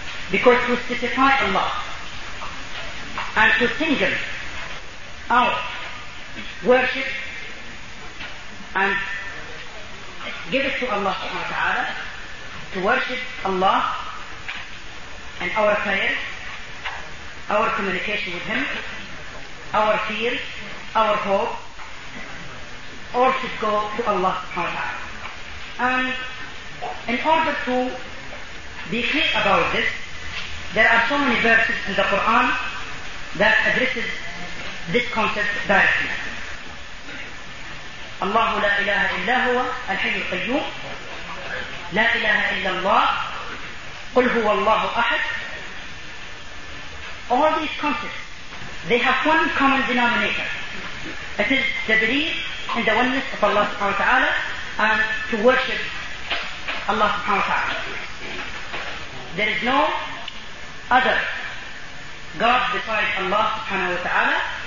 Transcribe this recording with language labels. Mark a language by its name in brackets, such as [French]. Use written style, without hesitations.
[English] Because to specify Allah and to single out worship and give it to Allah subhanahu wa ta'ala, to worship Allah and our prayers, our communication with Him, our fears, our hope, all should go to Allah subhanahu wa ta'ala. And in order to be clear about this, there are so many verses in the Quran that addresses this concept directly. [Arabic] الله لا إله إلا هو الحي القيوم لا إله إلا الله قل هو الله أحد. [English] All these concepts, they have one common denominator. It is the belief in the oneness of Allah subhanahu wa ta'ala and to worship Allah subhanahu wa ta'ala. There is no other God besides Allah subhanahu wa ta'ala,